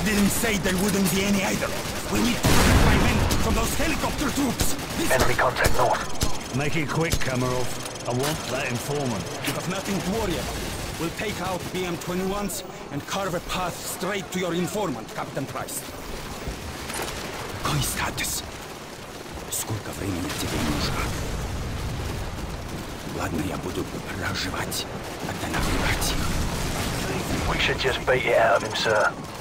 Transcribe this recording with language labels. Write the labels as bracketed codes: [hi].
[en] I didn't say there wouldn't be any either. We need to protect my men from those helicopter troops. Enemy contact north. Make it quick, Kamarov. I want that informant. You have nothing to worry about. We'll take out BM-21s and carve a path straight to your informant, Captain Price. [ru] Какой статус? Сколько времени тебе нужно? Ладно, я буду разжевать, а тогда убивать их. [en] We should just beat it out of him, sir.